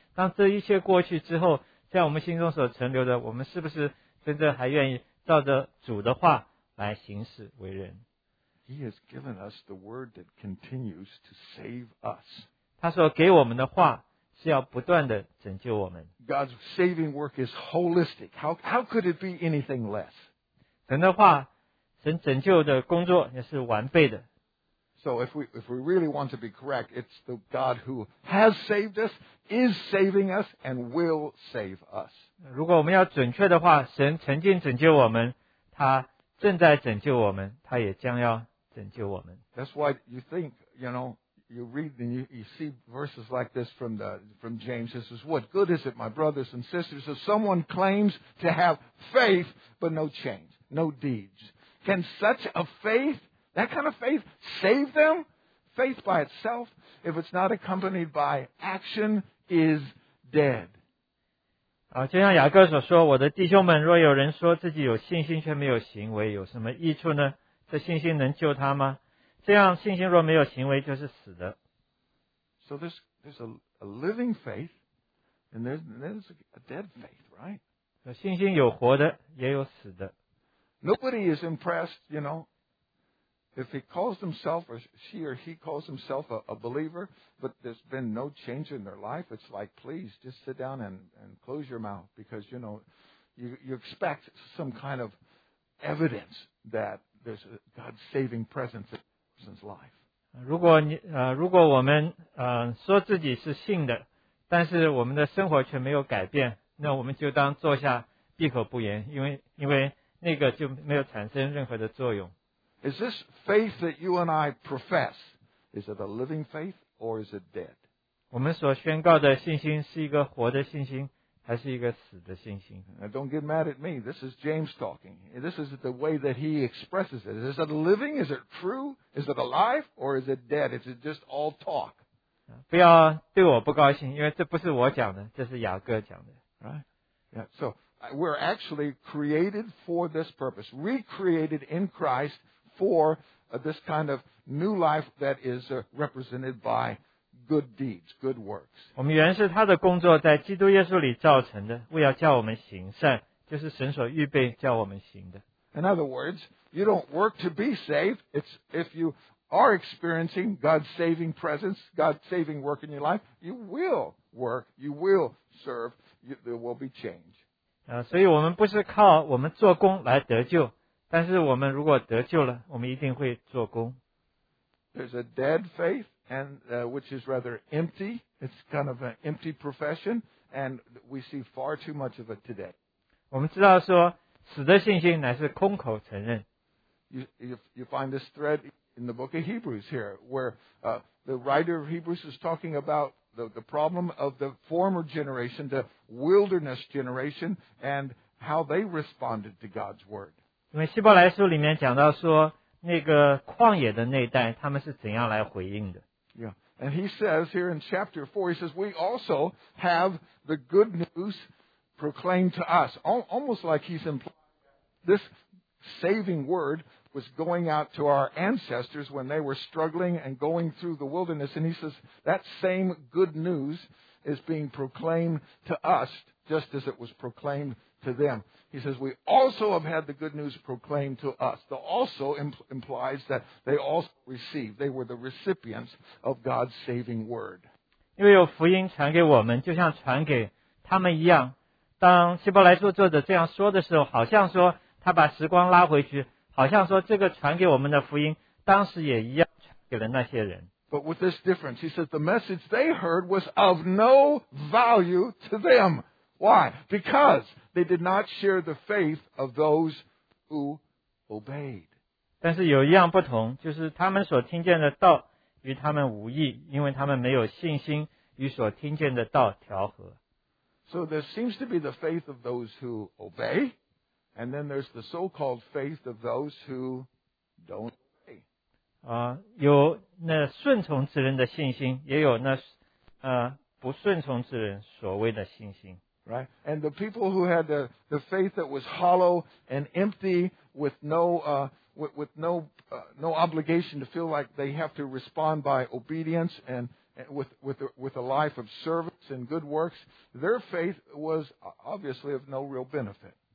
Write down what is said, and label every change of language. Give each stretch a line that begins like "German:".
Chinese: 当这一切过去之后，在我们心中所存留的，我们是不是真的还愿意照着主的话来行事为人？
English: He has given us the word that continues to save us.
Chinese: 他所给我们的话是要不断的拯救我们。
English: God's saving work is holistic. How could it be anything less?
Chinese: 神的话，神拯救的工作也是完备的。
English: So if we really want to be correct, it's the God who has saved us, is saving us, and will save us.
Chinese: 如果我们要准确的话，神曾经拯救我们，他正在拯救我们，他也将要拯救我们。
English: That's why you think, you know, you read and you see verses like this from James. It says, "What good is it, my brothers and sisters, if someone claims to have faith but no change, no deeds? Can such a faith?" That kind of faith save them? Faith by itself, if it's not accompanied by action, is dead.
Chinese: 就像雅各所说，我的弟兄们，若有人说自己有信心却没有行为，有什么益处呢？这信心能救他吗？这样信心若没有行为，就是死的。
English: So there's a living faith, and there's a dead faith, right?
Chinese: 信心有活的，也有死的。
English: Nobody is impressed, you know,If he calls himself, or she or he calls himself a believer, but there's been no change in their life, it's like, please, just sit down and close your mouth. Because, you know, you expect some kind of evidence that there's a God's saving presence in a person's life.
Chinese: 如果我们说自己是信的，但是我们的生活却没有改变，那我们就当坐下闭口不言，因为那个就没有产生任何的作用。
English: Is this faith that you and I profess, is it a living faith or is it dead?
Chinese: 我们所宣告的信心是一个活的信心还是一个死的信心？
English: Now, don't get mad at me. This is James talking. This is the way that he expresses it. Is it living? Is it true? Is it alive? Or is it dead? Is it just all talk?
Chinese: 不要对我不高兴，因为这不是我讲的，这是雅各讲的。
English: Right? Yeah, so we're actually created for this purpose, recreated in Christ,for this kind of new life that is represented by good deeds, good works.
Chinese: 我们原是他的工作在基督耶稣里造成的，为要叫我们行善，就是神所预备叫我们行的。
English: In other words, you don't work to be saved. It's if you are experiencing God's saving presence, God's saving work in your life, you will work, you will serve, there will be change.
Chinese: 所以我们不是靠我们做工来得救，但是我们如果得救了，我们一定会做工。
English: There's a dead faith, and which is rather empty. It's kind of an empty profession, and we see far too much of it today.
Chinese: 我们知道说，死的信心乃是空口承认。
English: You find this thread in the book of Hebrews here, where the writer of Hebrews is talking about the problem of the former generation, the wilderness generation, and how they responded to God's word.
Chinese: 因为希伯来书里面讲到说，那个旷野的那一代，他们是怎样来回应的
English: ？Yeah, and he says here in chapter 4, he says we also have the good news proclaimed to us, almost like he's implying this saving word was going out to our ancestors when they were struggling and going through the wilderness, and he says that same good news is being proclaimed to us just as it was proclaimed. To them. He says, we also have had the good news proclaimed to us. The also implies that they also received. They were the recipients of God's saving word.
Chinese: 因为有福音传给我们，就像传给他们一样。当希伯来书作者这样说的时候，好像说他把时光拉回去，好像说这个传给我们的福音，当时也一样传给了那些人。
English: But with this difference, he says, the message they heard was of no value to them. Why? Because... They did not share the faith of those who obeyed.
Chinese: 但是有一样不同，就是他们所听见的道与他们无异，因为他们没有信心与所听见的道调和。
English: So there seems to be the faith of those who obey, and then there's the so-called faith of those who don't obey.
Chinese: 有那顺从之人的信心，也有那不顺从之人所谓的信心。
English: Right? And the people who had the faith that was hollow and empty with no obligation to feel like they have to respond by obedience and with a life of service and good works, their faith was obviously of no real benefit.